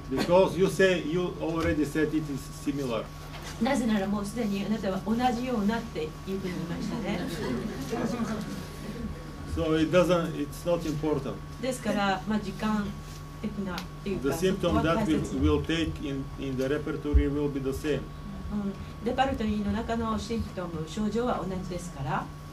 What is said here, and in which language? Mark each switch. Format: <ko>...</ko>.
<en>Because you say you already said it is similar.</en> <ja>なぜならもうすでにあなたは同じようなっていうふうに言いましたね。</ja> <en>So it doesn't, it's not important.</en> <ja>ですから、時間的なっていうか、</ja> <en>The symptom that we will take in the repertory will be the same.</en> <ja>レパルトリーの中のシンプトム、症状は同じですから。</ja>